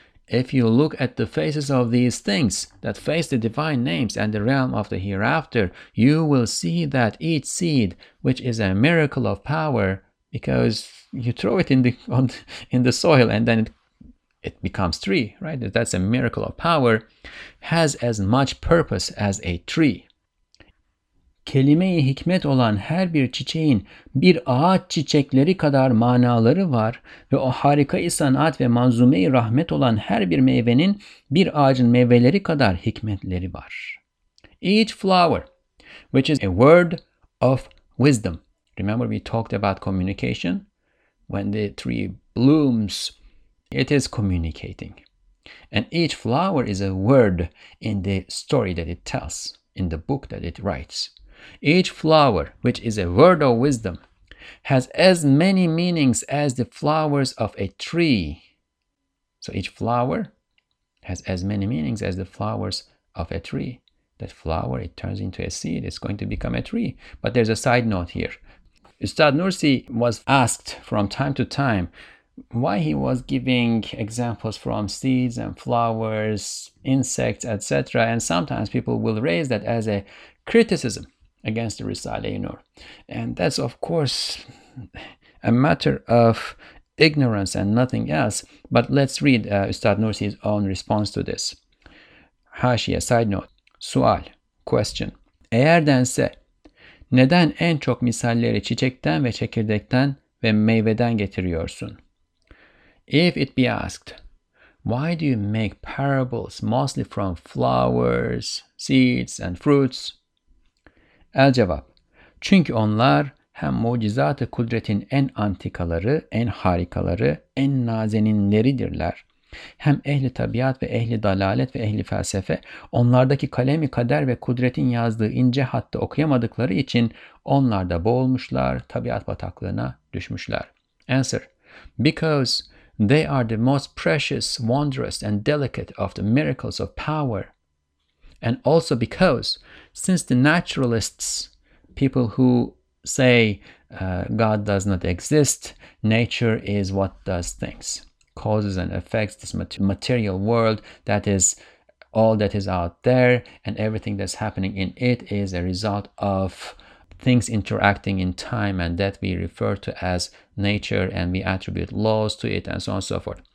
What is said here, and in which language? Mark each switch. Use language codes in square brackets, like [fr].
[en] If you look at the faces of these things that face the divine names and the realm of the hereafter, you will see that each seed, which is a miracle of power, because you throw it in the soil and then it becomes tree, right? That's a miracle of power, has as much purpose as a tree. [tr] Kelime-i hikmet olan her bir çiçeğin bir ağaç çiçekleri kadar manaları var ve o harika-i sanat ve manzume-i rahmet olan her bir meyvenin bir ağacın meyveleri kadar hikmetleri var. [en] Each flower, which is a word of wisdom. Remember we talked about communication? When the tree blooms, it is communicating. And each flower is a word in the story that it tells, in the book that it writes. Each flower, which is a word of wisdom, has as many meanings as the flowers of a tree. So each flower has as many meanings as the flowers of a tree. That flower, it turns into a seed, it's going to become a tree. But there's a side note here. Ustad Nursi was asked from time to time why he was giving examples from seeds and flowers, insects, etc. And sometimes people will raise that as a criticism against the Risale-i Nur. And that's of course a matter of ignorance and nothing else. But let's read Ustad Nursi's own response to this. Haşiye, side note. Sual, question. [tr] Eğer dense, neden en çok misalleri çiçekten ve çekirdekten ve meyveden getiriyorsun? [en] If it be asked, why do you make parables mostly from flowers, seeds and fruits? [tr] El cevap, çünkü onlar hem mucizat-ı kudretin en antikaları, en harikaları, en nazeninleridirler. Hem ehli tabiat ve ehli dalalet ve ehli felsefe, onlardaki kalemi kader ve kudretin yazdığı ince hattı okuyamadıkları için onlar da boğulmuşlar, tabiat bataklığına düşmüşler. [en] Answer, because they are the most precious, wondrous and delicate of the miracles of power. And also because, since the naturalists, people who say God does not exist, nature is what does things, causes and effects, this material world, that is all that is out there, and everything that's happening in it is a result of things interacting in time, and that we refer to as nature, and we attribute laws to it, and so on and so forth.